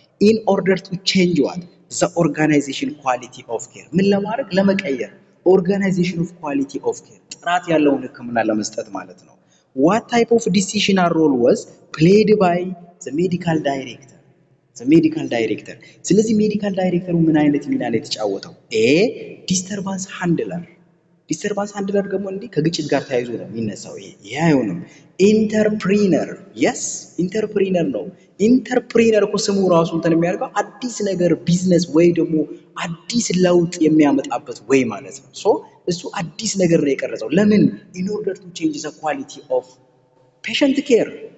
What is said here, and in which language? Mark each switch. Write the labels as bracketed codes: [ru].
[en] In order to change what? The organization quality of care. [am] ምን ለማድረግ? ለመቀየር። [en] Organization of quality of care. [am] ጥራት ያለውን ህክምና ለመስጠት ማለት ነው። [en] What type of decisional role was played by the medical director? The medical director. [am] ስለዚህ medical directorው ምን አይነት ሚና ነው የተጫወተው? [en] A. disturbance handler. [am] disturbance handler ደግሞ እንዴ ከግጭት ጋር ተያይዞ ነው የሚነሳው ይሄ አይሆንም። entrepreneur. yes entrepreneur ነው። entrepreneur እኮ ስሙ ራሱ እንትን የሚያደርገው አዲስ ነገር business ወይ ደግሞ አዲስ ለውጥ የሚያመጣበት ወይ ማለት ነው። so እሱ አዲስ ነገር ነው የቀረጸው። ለምን? [en] in order to change the quality of patient care.